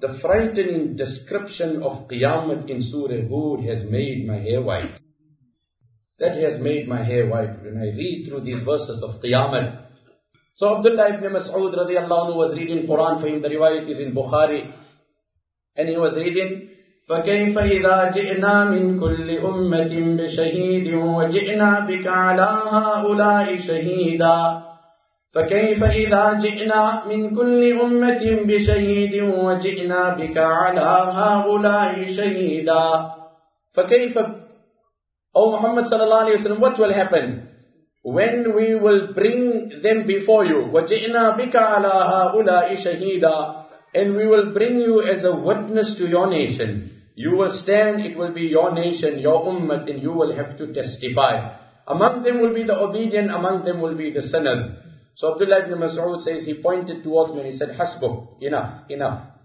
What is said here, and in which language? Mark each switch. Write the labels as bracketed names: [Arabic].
[English] The frightening description of Qiyamah in Surah Hud has made my hair white. That has made my hair white. When I read through these verses of Qiyamah, so Abdullah ibn Mas'ud radiallahu anhu was reading Quran for him. The riwayat is in Bukhari. [Arabic] And he was reading, فَكَيْفَ إِذَا جِئْنَا مِنْ كُلِّ أُمَّةٍ بِشَهِيدٍ وَجِئْنَا بِكَ عَلَى هَا أُولَاءِ شَهِيدًا فَكَيْفَ إِذَا جِئْنَا مِنْ كُلِّ أُمَّةٍ بِشَهِيدٍ وَجِئْنَا بِكَ عَلَى هَا أُولَاءِ شَهِيدًا فَكَيْفَ [English] Oh Muhammad sallallahu alayhi wa sallam, what will happen? When we will bring them before you, [Arabic] وَجِئْنَا بِكَ عَلَىٰ هَٰؤُلَاءِ شَهِيدًا, [English] and we will bring you as a witness to your nation. You will stand, it will be your nation, your ummah, and you will have to testify. Among them will be the obedient, among them will be the sinners. So Abdullah ibn Mas'ud says, he pointed towards me and he said, حَسْبُكْ, enough, enough.